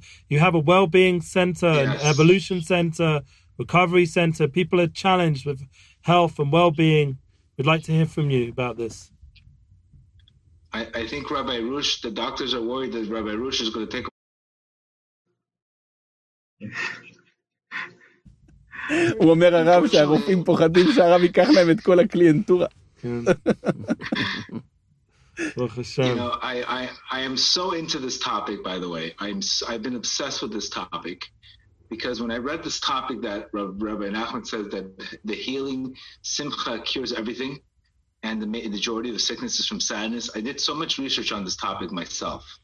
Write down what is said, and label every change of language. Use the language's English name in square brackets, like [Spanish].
[English] You have a well-being center, yes. An evolution center, recovery center. People are challenged with health and well-being. We'd like to hear from you about this. I think Rabbi Arush, the doctors are worried that Rabbi Arush is going to take [Hebrew] הוא אומר הרב שהרופאים פוחדים שהרב ייקח להם את כל הקליינטורה. [English] I am so into this topic, by the way. I've been obsessed with this topic because when I read this topic that Rabbi Nachman says that the healing simcha cures everything and the majority of the sickness is from sadness, I did so much research on this topic myself.